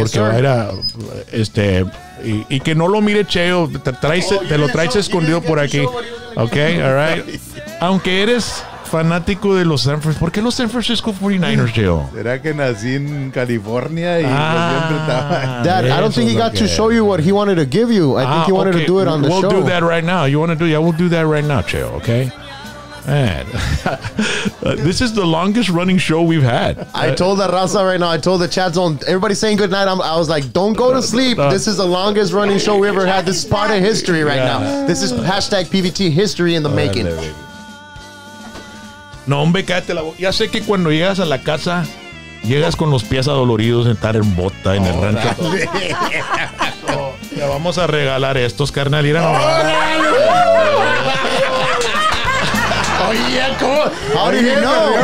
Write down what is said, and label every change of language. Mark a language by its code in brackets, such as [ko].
[es] porque [en] sir. [es] Era y que no lo mire Cheo. Te lo traes escondido por aquí, [en] okay? All right. [es] Aunque eres fanático de los San Francisco, ¿por qué los San Francisco 49ers, Joe? ¿Será que nací en California y siempre estaba? [en] Dad, I don't think he got to show you what he wanted to give you. I think he wanted to do it on the we'll show. We'll do that right now. You want to do? Yeah, we'll do that right now, Joe. Okay. Man, this is the longest running show we've had. I told the Raza right now, I told the chat zone, everybody saying goodnight. I was like, don't go to sleep. This is the longest running show we ever had. This is part of history right now. This is hashtag PVT history in the making. [es] No, hombre, cállate la boca. Ya sé que cuando llegas a la casa, llegas con los pies adoloridos, estar en bota en el rancho. Ya vamos a regalar estos, carnal. Irán. Oye, ¿cómo? [en] How do you know?